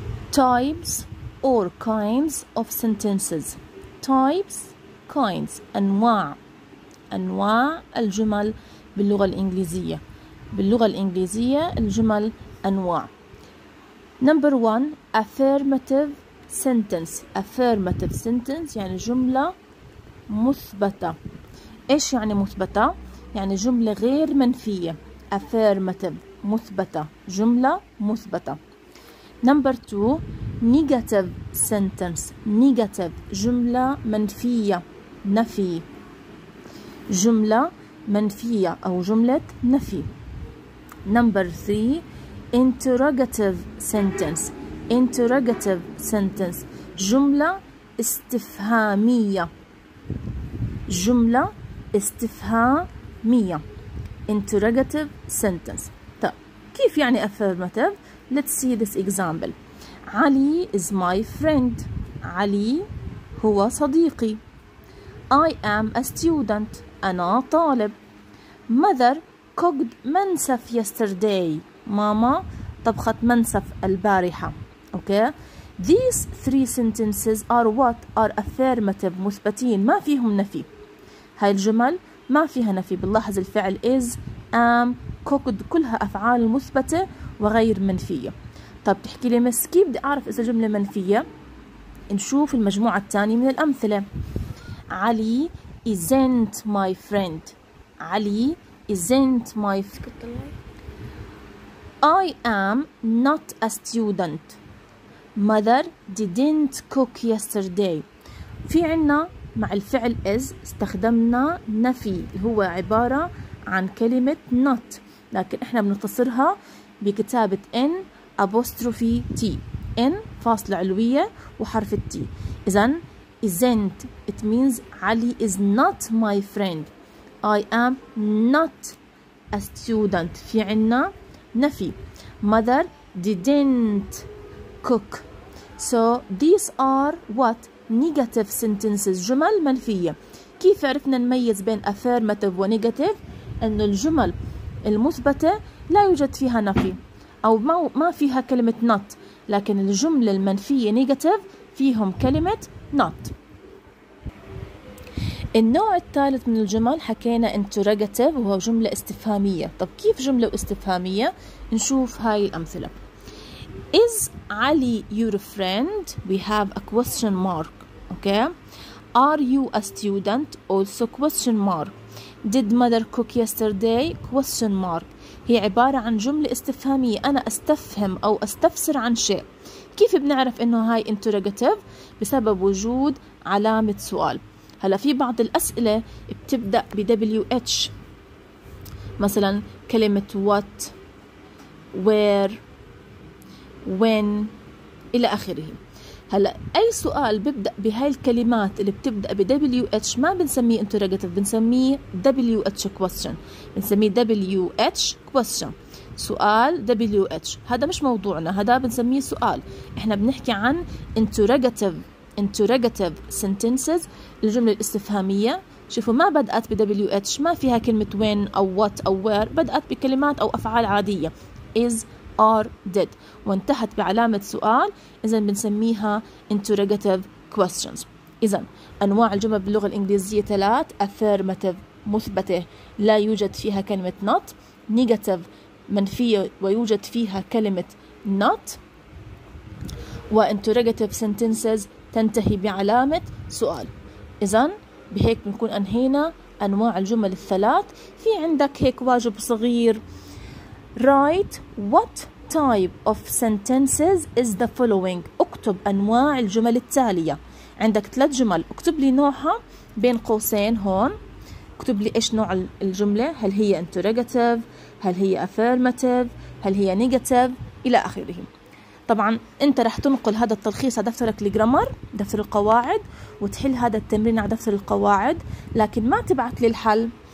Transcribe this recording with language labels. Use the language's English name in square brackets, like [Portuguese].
[English] types or kinds of sentences. Types, kinds, [Arabic] أنواع. أنواع الجمل باللغة الإنجليزية. باللغة الإنجليزية الجمل أنواع. [English] Number one, affirmative sentence. Affirmative sentence [Arabic] يعني جملة مثبتة. إيش يعني مثبتة؟ يعني جملة غير منفية. [English] Affirmative [Arabic] مثبتة. جملة مثبتة. [English] Number two, negative sentence. Negative [Arabic] جملة منفية. نفي. جملة منفية أو جملة نفي. [English] Number three, interrogative sentence. Interrogative sentence [Arabic] جملة استفهامية. جملة استفهامية. [English] Interrogative sentence. [Arabic] طيب كيف يعني [English] affirmative؟ Let's see this example. Ali is my friend. [Arabic] علي هو صديقي. [English] I am a student. [Arabic] أنا طالب. [English] Mother cooked منسف yesterday. [Arabic] ماما طبخت منسف البارحة. [English] Okay. These three sentences are what? Are affirmative. [Arabic] مثبتين. ما فيهم نفي. هاي الجمل ما فيها نفي. بنلاحظ الفعل is, am, cooked كلها أفعال مثبتة وغير منفية. طب تحكي لي مس كيف بدي أعرف إذا جملة منفية؟ نشوف المجموعة الثانية من الأمثلة. [English] Ali isn't my friend. Ali isn't my friend. I am not a student. Mother didn't cook yesterday. [Arabic] في عنا مع الفعل is استخدمنا نفي، هو عبارة عن كلمة not، لكن احنا بنختصرها بكتابة [English] n apostrophe t، [Arabic] n فاصلة علوية وحرف t. اذا [English] isn't it means Ali is not my friend. I am not a student. [Arabic] في عنا نفي. [English] Mother didn't cook. So these are what? Negative sentences. [Arabic] جمل منفية. كيف عرفنا نميز بين affirmative ونegative؟ إنه الجمل المثبتة لا يوجد فيها نفي أو ما فيها كلمة not، لكن الجملة المنفية negative فيهم كلمة not. النوع الثالث من الجمل حكينا interrogative وهو جملة استفهامية. طب كيف جملة استفهامية؟ نشوف هاي الأمثلة. [English] Is Ali your friend? We have a question mark. Okay. Are you a student? Also question mark. Did mother cook yesterday? Question mark. [Arabic] هي عبارة عن جملة استفهامية. أنا أستفهم أو أستفسر عن شيء. كيف بنعرف إنه هاي interrogative؟ بسبب وجود علامة سؤال. هلا في بعض الأسئلة بتبدأ ب WH، مثلا كلمة what, where, when إلى آخره. هلا أي سؤال بيبدأ بهاي الكلمات اللي بتبدأ ب WH ما بنسميه interrogative، بنسميه WH question. بنسميه WH question، سؤال WH. هذا مش موضوعنا، هذا بنسميه سؤال. إحنا بنحكي عن interrogative sentences، الجملة الاستفهامية. شوفوا ما بدأت ب WH، ما فيها كلمة when أو what أو where، بدأت بكلمات أو أفعال عادية is or did، وانتهت بعلامة سؤال. إذن بنسميها interrogative questions. إذن أنواع الجمل باللغة الإنجليزية ثلاث: affirmative مثبتة لا يوجد فيها كلمة not، negative منفية ويوجد فيها كلمة not، وinterrogative sentences تنتهي بعلامة سؤال. إذن بهيك بنكون أنهينا أنواع الجمل الثلاث. في عندك هيك واجب صغير. [English] Write what type of sentences is the following. [Arabic] اكتب أنواع الجمل التالية. عندك ثلاث جمل، اكتب لي نوعها بين قوسين هون. اكتب لي إيش نوع الجملة، هل هي interrogative، هل هي affirmative، هل هي negative إلى آخره. طبعا انت رح تنقل هذا التلخيص على دفترك لجرامر، دفتر القواعد، وتحل هذا التمرين على دفتر القواعد، لكن ما تبعت لي الحل.